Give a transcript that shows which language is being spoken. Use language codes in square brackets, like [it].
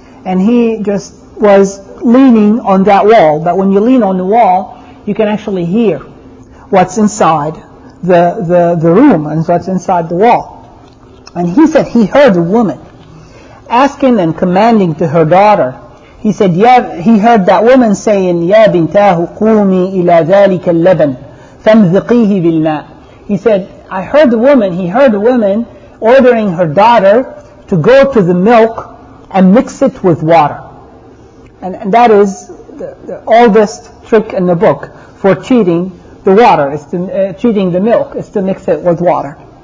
[en] And he just was leaning on that wall. But when you lean on the wall, you can actually hear what's inside the room and what's inside the wall. And he said he heard a woman asking and commanding to her daughter. He said, he heard that woman saying, [ar] يَا بِنْتَاهُ قُومِي إِلَى ذَلِكَ اللَّبَنْ فَامْذِقِيهِ بِالْمَاءِ. [en] He said, he heard a woman ordering her daughter to go to the milk and mix it with water. And that is the oldest trick in the book for cheating the water, is to cheating the milk, is to mix it with water.